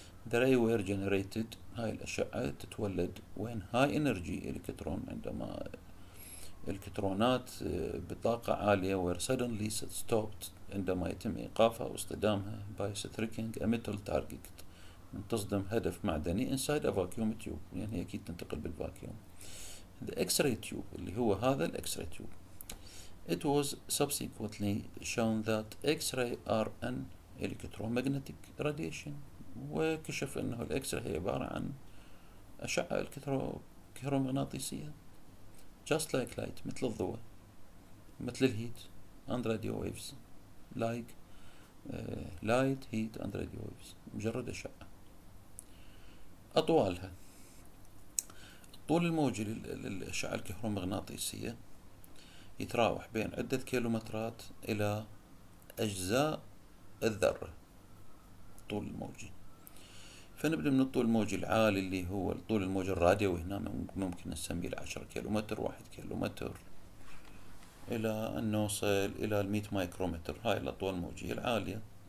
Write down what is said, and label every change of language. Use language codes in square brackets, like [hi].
[en] The ray were generated، [ar] هاي الأشعة تتولد [en] when high energy electron، [ar] عندما الكترونات بطاقة عالية [en] were suddenly stopped، [ar] عندما يتم إيقافها واصطدامها [en] by striking a metal target، [ar] من تصدم هدف معدني [en] inside a vacuum tube، [ar] يعني هي أكيد تنتقل بالفاكيوم. [en] The X-ray tube [ar] اللي هو هذا الـ [en] X-ray tube. It was subsequently shown that X-ray are an electromagnetic radiation، [ar] وكشف أنه الـ X-ray هي عبارة عن أشعة الكهرومغناطيسية [en] just like light، [ar] مثل الضوء، مثل الهيت [en] and radio waves، like light, heat and radio waves، [ar] مجرد أشعة. أطوالها طول الموج للأشعة الكهرومغناطيسية يتراوح بين عدة كيلومترات إلى أجزاء الذرة طول الموج. فنبدأ من الطول الموجي العالي اللي هو طول الموج الراديو، وهنا ممكن نسميه 10 كيلومتر، 1 كيلومتر، إلى أن نوصل إلى 100 مايكرومتر، هاي الأطوال الموجية العالية.